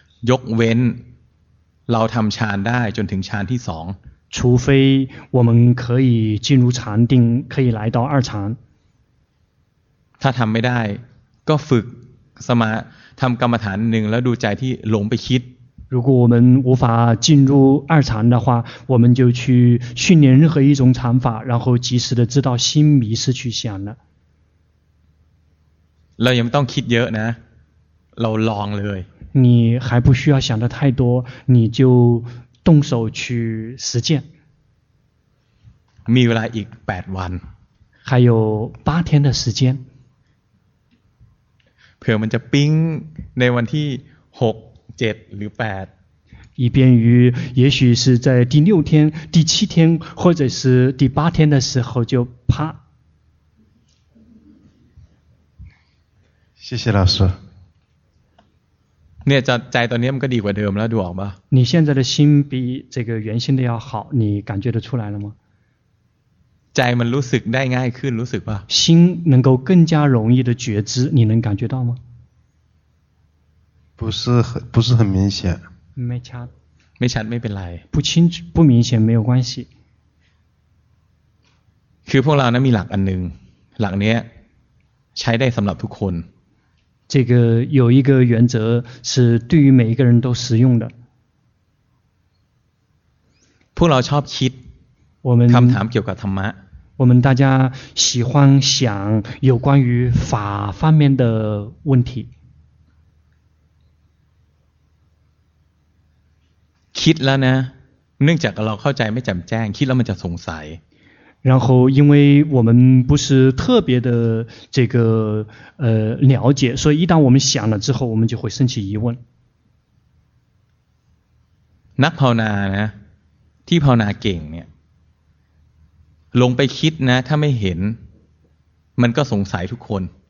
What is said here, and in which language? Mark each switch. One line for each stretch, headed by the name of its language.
Thai: ยกเว้นเราทำฌานได้จนถึงฌานที่สอง
Chinese: 除非我们可以进入禅定可以来到二禅
Thai: ถ้าทำไม่ได้ก็ฝึกสมาทำกรรมฐานหนึ่งแล้วดูใจที่หลงไปคิด
Chinese: 如果我们无法进入二禅的话我们就去训练任何一种禅法然后及时的知道心迷失去想了
Thai: เรายังไม่ต้องคิดเยอะนะเราลองเลย
Chinese: 你还不需要想的太多你就动手去实践
Thai: มีเวลาอีก8วัน
Chinese: 还有8天的时间
Thai: เผื่อมันจะปิ๊งในวันที่6 7หรือ8
Chinese: 以便于也许是在第6天第7天或者是第8天的时候就啪谢谢老师
Thai: เนี่ยใจตอนนี้มันก็ดีกว่าเดิมแล้วดูออกป่ะ
Chinese: 你现在的心比这个原先的要好你感觉得出来了吗
Thai: ใจมันรู้สึกได้ง่ายขึ้นรู้สึกป่ะ
Chinese: 心能够更加容易的觉知你能感觉到吗不是很明显
Thai: ไม่ชัด ไม่เป็นไร
Chinese: 不清楚不明显没有关系
Thai: คือพวกเรานะมีหลักอันนึงหลักเนี้ยใช้ได้สำหรับทุกคน
Chinese: 这个有一个原则是对于每一个人都实用的
Thai: พวกเราชอบคิดคำถามเกี่ยวกับธรรมะ
Chinese: 我们大家喜欢想有关于法方面的问题
Thai: คิดแล้วนะเนื่องจากเราเข้าใจไม่แจ่มแจ้งคิดแล้วมันจะสงสัย
Chinese: 然后因为我们不是特别的这个了解所以一旦我们想了之后我们就会生起疑问
Thai: นักภาวนานะที่ภาวนาเก่งเนี่ยลงไปคิดนะถ้าไม่เห็นมันก็สงสัยทุกคน